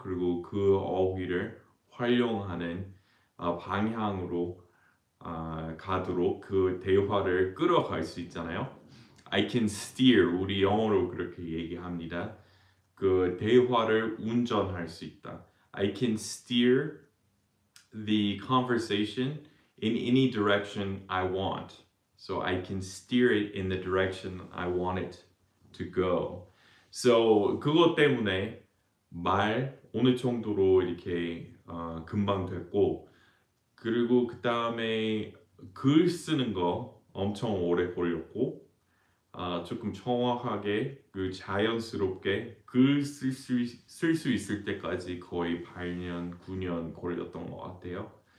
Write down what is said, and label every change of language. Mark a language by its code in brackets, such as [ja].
[ko] 그리고 그 어휘를 활용하는 방향으로 가도록 그 대화를 끌어갈 수 있잖아요. I can steer 우리 영어로 그렇게 얘기합니다. 그 대화를 운전할 수 있다. [en] I can steer the conversation in any direction I want. So I can steer it in the direction I want it to go. [ko] So 그것 때문에 말 어느 정도로 이렇게 금방 됐고 그리고 그 다음에 글 쓰는 거 엄청 오래 걸렸고 조금 정확하게 그 자연스럽게 글 쓸 수 있을 때까지 거의 8년, 9년 걸렸던 것 같아요.